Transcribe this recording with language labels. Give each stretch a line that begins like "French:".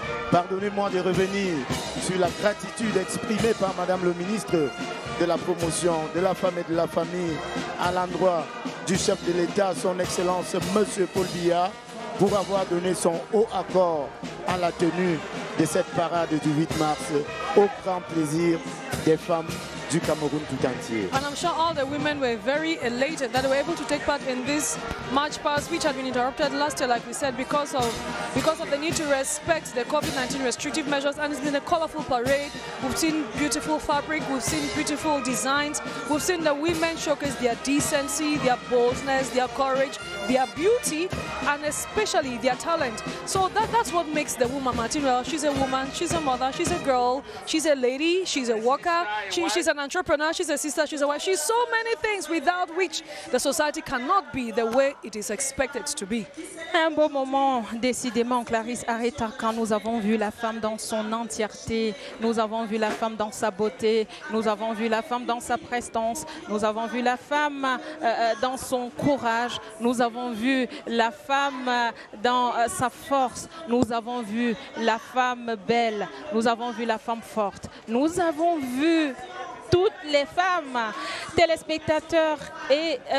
French: Pardonnez-moi de revenir sur la gratitude exprimée par Madame le ministre de la promotion de la femme et de la famille à l'endroit du chef de l'État, son Excellence Monsieur Paul Biya, pour avoir donné son haut accord à la tenue de cette parade du 8 mars, au grand plaisir des femmes du Cameroun tout entier.
English: And I'm sure all the women were very elated that they were able to take part in this march past, which had been interrupted last year, like we said, because of the need to respect the COVID-19 restrictive measures. And it's been a colorful parade. We've seen beautiful fabric, we've seen beautiful designs, we've seen the women showcase their decency, their boldness, their courage, their beauty, and especially their talent. So that's what makes the woman, Martin. Well, she's a woman, she's a mother, she's a girl, she's a lady, she's a worker, she's an entrepreneur, she's a sister, she's a wife, she's so many things without which the society cannot be the way it is expected to be.
French: Un beau moment, décidément, Clarisse Areta, quand nous avons vu la femme dans son entièreté, nous avons vu la femme dans sa beauté, nous avons vu la femme dans sa prestance, nous avons vu la femme dans son courage, nous avons vu la femme dans sa force, nous avons vu la femme belle, nous avons vu la femme forte, nous avons vu toutes les femmes, téléspectateurs et